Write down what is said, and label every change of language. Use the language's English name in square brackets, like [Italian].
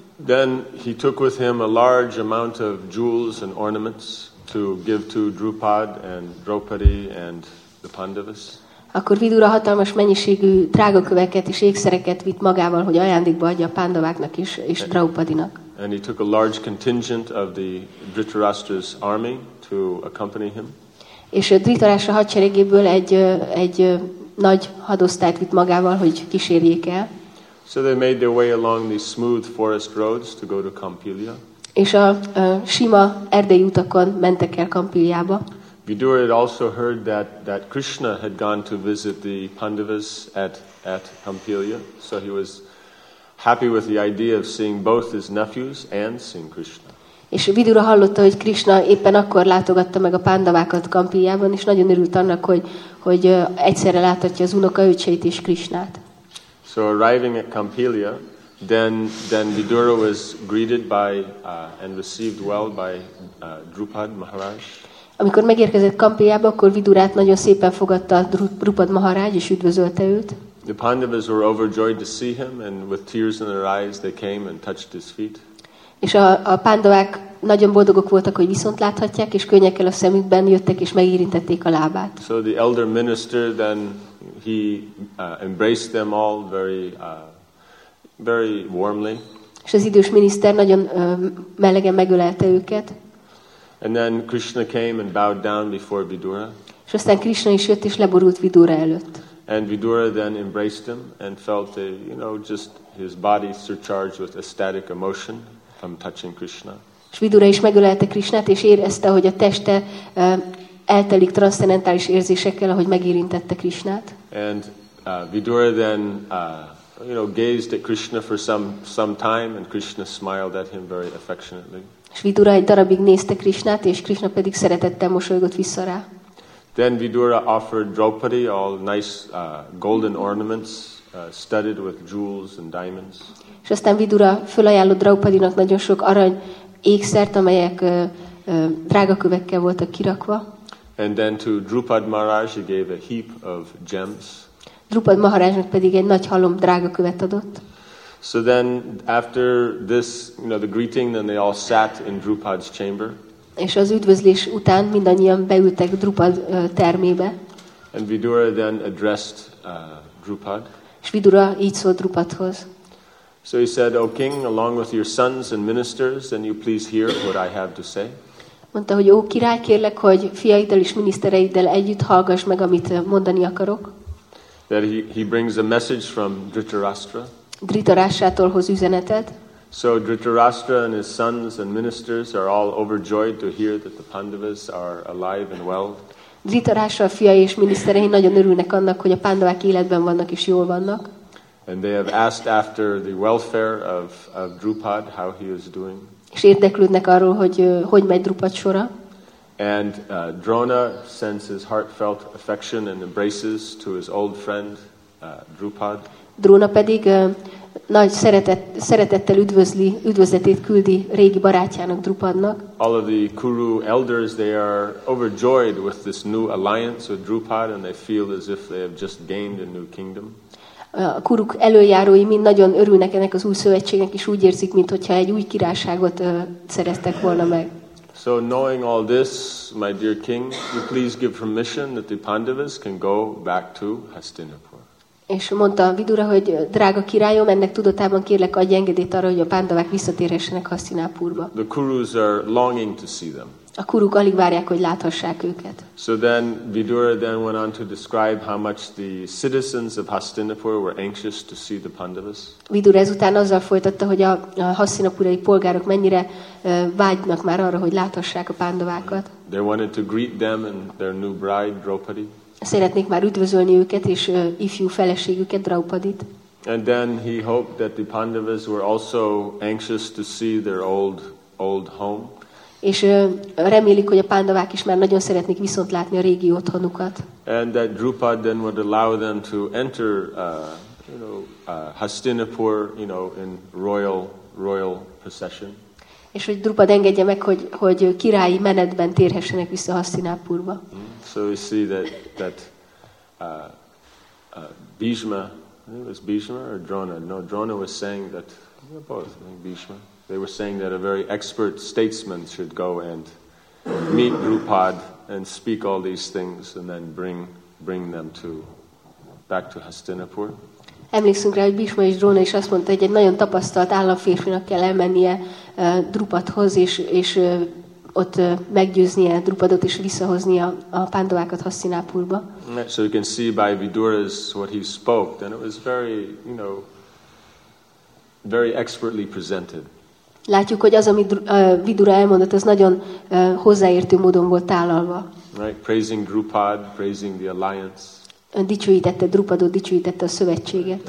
[English] Then he took with him a large amount of jewels and ornaments to give to Drupad and Draupadi and the Pandavas. [Hungarian] Akkor Vidura hatalmas mennyiségű drágaköveket és ékszereket vitt magával, hogy ajándékba adja a Pandaváknak is és Draupadinak. [English] And he took a large contingent of the Dhritarashtra's army to accompany him. [Hungarian] És Dhritarashtra hadseregéből egy nagy hadosztályt vitt magával, hogy kísérjék el. [English] So they made their way along the smooth forest roads to go to Kampilya. [Hungarian] És a sima erdei utakon mentek el Kampiljába. [English] Vidura had also heard that Krishna had gone to visit the Pandavas at Kampilya, so he was happy with the idea of seeing both his nephews and seeing Krishna. [Hungarian] És Vidura hallotta, hogy Krishna éppen akkor látogatta meg a Pandavákat Kampiljában, és nagyon örült annak, hogy egyszerre láthatja az unokaöcseit és Krishnát. [English] So arriving at Kampilya, then Vidura was greeted by and received well by Drupad Maharaj. [Hungarian] Amikor megérkezett Kampiljába, akkor Vidurát nagyon szépen fogadta Drupad Maharaj, és üdvözölte őt. [English] The Pandavas were overjoyed to see him, and with tears in their eyes, they came and touched his feet. [Hungarian] És a Pandavák nagyon boldogok voltak, hogy viszont láthatják, és könnyekkel a szemükben jöttek, és megérintették a lábát. [English] So the elder minister then, he embraced them all very, very warmly. [Hungarian] És az idős miniszter nagyon melegen megölelte őket. [English] And then Krishna came and bowed down before Vidura. [Hungarian] És aztán Krishna is jött és leborult Vidura előtt. [English] And Vidura then embraced him and felt a, you know, just his body surcharged with ecstatic emotion from touching Krishna. [Hungarian] És Vidura is megölelte Krishnát és érezte, hogy a teste eltelik transzcendentális érzésekkel, ahogy megérintette Krishnát. [English] And Vidura then gazed at Krishna for some time and Krishna smiled at him very affectionately. [Hungarian] És Vidura egy darabig nézte Krishnát, és Krishna pedig szeretettel mosolygott vissza rá. [English] Then Vidura offered Draupadi all nice golden ornaments, studded with jewels and diamonds. [Hungarian] És aztán Vidura fölajánlott Draupadinak nagyon sok arany ékszert, amelyek drágakövekkel voltak kirakva. [English] And then to Drupad Maharaj he gave a heap of gems. [Hungarian] Drupad Maharajnak pedig egy nagy halom drágakövet adott. [English] So then after this, you know, the greeting, then they all sat in Drupad's chamber. [Hungarian] És az üdvözlés után mindannyian beültek Drupad termébe. [English] And Vidura then addressed Drupad. [Hungarian] És Vidura így szólt Drupadhoz. [English] So he said, "O king, along with your sons and ministers, then you please hear what I have to say." [Hungarian] Mondta, hogy ó király, kérlek, hogy fiaiddal és minisztereiddel együtt hallgass meg, amit mondani akarok. [English] That he brings a message from Dhritarashtra. [Hungarian] Dhritarashtrától hoz üzenetet. [English] So Dhritarashtra and his sons and ministers are all overjoyed to hear that the Pandavas are alive and well. [Hungarian] Dhritarashtra fiai és miniszterei nagyon örülnek annak, hogy a Pandavák életben vannak és jól vannak. [English] And they have asked after the welfare of Drupad, how he is doing. [Hungarian] És érdeklődnek arról, hogy megy Drupad sora. [English] And Drona sends his heartfelt affection and embraces to his old friend Drupad. [Hungarian] Drona pedig nagy szeretettel üdvözletét küldi régi barátjának Drupadnak. [English] All of the Kuru elders they are overjoyed with this new alliance with Drupad and they feel as if they have just gained a new kingdom. [Hungarian] A Kuruk előjárói mind nagyon örülnek ennek az új szövetségnek és úgy érzik, mintha egy új királyságot szereztek volna meg. [English] So knowing all this, my dear king, you please give permission that the Pandavas can go back to Hastinapur. [Hungarian] És mondta Vidura, hogy drága királyom, ennek tudatában kérlek, adj engedélyt arra, hogy a Pandavák visszatérhessenek Hastinapurba. [English] The Kurus are longing to see them. [Hungarian] A kuruk alig várják, hogy láthassák őket. [English] So then Vidura then went on to describe how much the citizens of Hastinapur were anxious to see the Pandavas. [Hungarian] Vidura ezután azzal folytatta, hogy a hasztinapurai polgárok mennyire vágynak már arra, hogy láthassák a Pandavákat. [English] They wanted to greet them and their new bride Draupadi. [Hungarian] Szeretnék már üdvözölni őket és ifjú feleségüket Draupadit. [English] And then he hoped that the Pandavas were also anxious to see their old home. [Hungarian] És remélik, hogy a pándavák is már nagyon szeretnék viszont látni a régi otthonukat. [English] And that Drupad then would allow them to enter Hastinapur, in royal procession. [Hungarian] És hogy Drupad engedje meg, hogy királyi menetben térhessenek vissza Hastinapurba. [English] So we see that Bhishma, it was Bhishma or Drona? No, Drona was saying that, both, I think Bhishma. They were saying that a very expert statesman should go and meet Drupad and speak all these things and then bring them back to Hastinapur. [Hungarian] Emlékszünk rá, hogy Bhishma és Drona is azt mondta, hogy egy nagyon tapasztalt államférfinak kell elmennie Drupadhoz és ott meggyőznie Drupadot és visszahoznia a pándavákat Hastinapurba. [English] So you can see by Vidura's what he spoke, and it was very, very expertly presented. [Hungarian] Látjuk, hogy az, amit Vidura elmondott, az nagyon hozzáértő módon volt tálalva. [English] Right, praising Drupad, praising the alliance. [Hungarian] Dicsőítette Drupadot, dicsőítette a szövetséget.